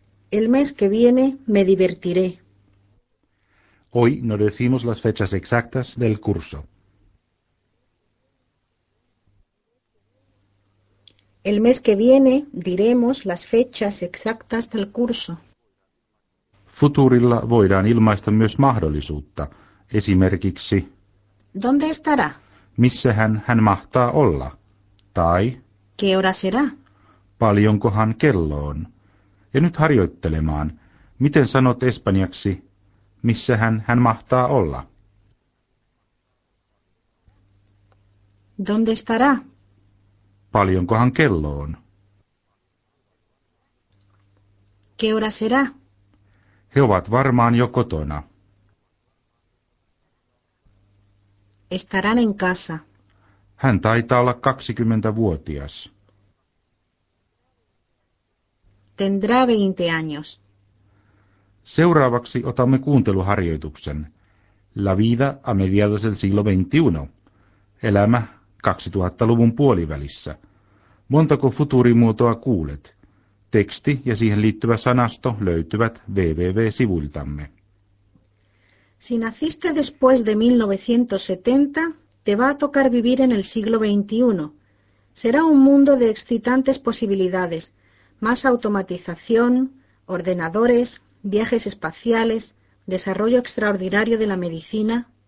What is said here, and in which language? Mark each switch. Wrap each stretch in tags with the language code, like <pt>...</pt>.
<es>El mes que viene me divertiré. Hoy no decimos las fechas exactas del curso. El mes que viene diremos las fechas exactas del curso.</es> <fi>Futurilla voidaan ilmaista myös mahdollisuutta, esimerkiksi</fi> <es>¿dónde estará?</es> <fi>Missähän hän mahtaa olla? Tai</fi> <es>¿qué hora será?</es> <fi>Paljonkohan kello on? Ja nyt harjoittelemaan. Miten sanot espanjaksi, missähän hän mahtaa olla?</fi> <es>¿Dónde estará?</es> <fi>Paljonkohan kello on?</fi> <es>¿Qué hora será?</es> <fi>He ovat varmaan jo kotona.</fi> <es>Estarán en casa.</es> <fi>Hän taitaa olla 20-vuotias.</fi> <es>Tendrá 20 años.</es> <fi>Seuraavaksi otamme kuunteluharjoituksen.</fi> <es>La vida a mediados del siglo XXI.</es> <fi>Elämä 2000-luvun puolivälissä. Montako futurimuotoa kuulet? Teksti ja siihen liittyvä sanasto löytyvät www-sivuiltamme.</fi> <es>Si naciste después de 1970, te va a tocar vivir en el siglo XXI. Será un mundo de excitantes posibilidades, más automatización, ordenadores, viajes espaciales, desarrollo extraordinario de la medicina.</es>